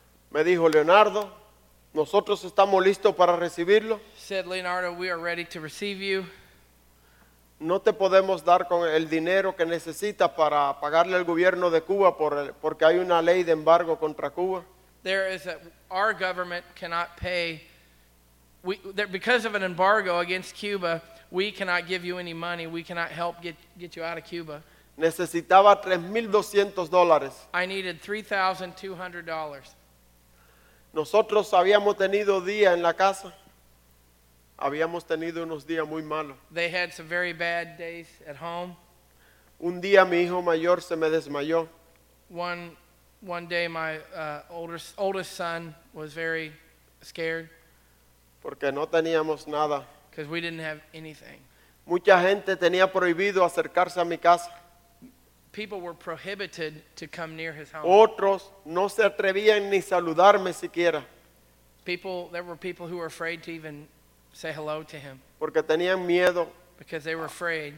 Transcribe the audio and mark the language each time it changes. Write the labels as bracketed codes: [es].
[es] Me dijo, Leonardo, nosotros estamos listos para recibirlo. [en] Said, Leonardo, we are ready to receive you. [es] No te podemos dar con el dinero que necesitas para pagarle al gobierno de Cuba porque hay una ley de embargo contra Cuba. [en] There is our government cannot pay. Because of an embargo against Cuba, we cannot give you any money. We cannot help get you out of Cuba. [es] Necesitaba $3,200. [en] I needed $3,200. [es] Nosotros habíamos tenido día en la casa. Habíamos tenido unos días muy malos. [en] They had some very bad days at home. [es] Un día mi hijo mayor se me desmayó. [en] One day my oldest son was very scared. [es] Porque no teníamos nada. [en] Because we didn't have anything. [es] Mucha gente tenía prohibido acercarse a mi casa. [en] People were prohibited to come near his home. [es] Otros no se atrevían ni saludarme siquiera. [en] People, there were people who were afraid to even say hello to him. [es] Porque tenían miedo. [en] Because they were afraid.